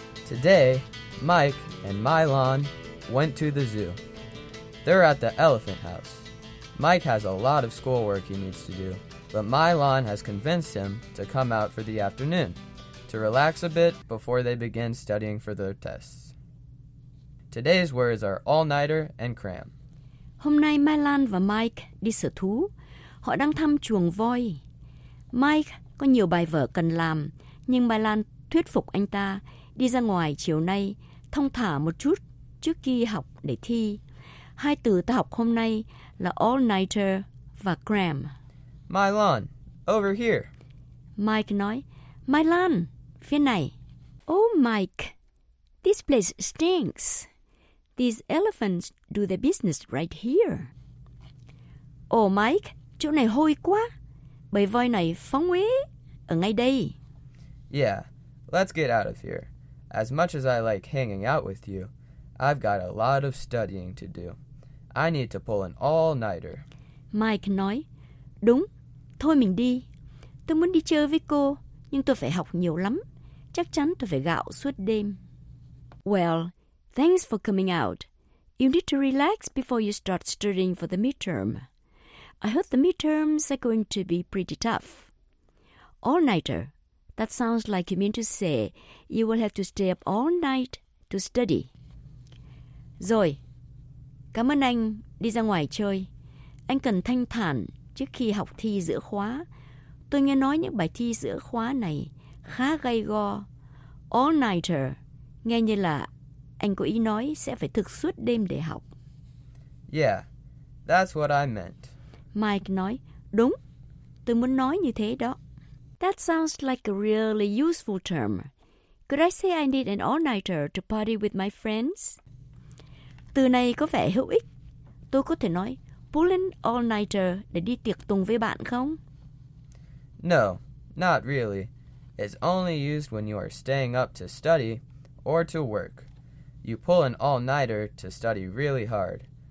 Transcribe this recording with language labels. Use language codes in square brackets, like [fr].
[en] Today, Mike and Mylon went to the zoo. They're at the elephant house. Mike has a lot of schoolwork he needs to do, but Mylon has convinced him to come out for the afternoon to relax a bit before they begin studying for their tests. Today's words are all-nighter and cram. [vi] Hôm nay Mai Lan và Mike đi sở thú. Họ đang thăm chuồng voi. Mike có nhiều bài vở cần làm, nhưng Mai Lan thuyết phục anh ta đi ra ngoài chiều nay, thong thả một chút trước khi học để thi. Hai từ ta học hôm nay là all-nighter và cram. [en] Mai Lan, over here. [vi] Mike nói, Mai Lan, phía này. [en] Oh, Mike, this place stinks. These elephants do their business right here. Oh, Mike, [vi] chỗ này hôi quá. Bầy voi này phóng uế ở ngay đây. [en] Yeah, let's get out of here. As much as I like hanging out with you, I've got a lot of studying to do. I need to pull an all-nighter. [vi] Mike nói, đúng, thôi mình đi. Tôi muốn đi chơi với cô, nhưng tôi phải học nhiều lắm. Chắc chắn tôi phải gạo suốt đêm. [en] Well, thanks for coming out. You need to relax before you start studying for the midterm. I heard the midterms are going to be pretty tough. All-nighter. That sounds like you mean to say you will have to stay up all night to study. [vi] Rồi. Cảm ơn anh. Đi ra ngoài chơi. Anh cần thanh thản trước khi học thi giữa khóa. Tôi nghe nói những bài thi giữa khóa này khá gay go. All-nighter. Nghe như là anh có ý nói sẽ phải thức suốt đêm để học. [en] Yeah, that's what I meant. [vi] Mike nói, đúng, tôi muốn nói như thế đó. [en] That sounds like a really useful term. Could I say I need an all-nighter to party with my friends? [vi] Từ này có vẻ hữu ích. Tôi có thể nói, pull an all-nighter để đi tiệc tùng với bạn không? [en] No, not really. It's only used when you are staying up to study or to work. You pull an all-nighter to study really hard.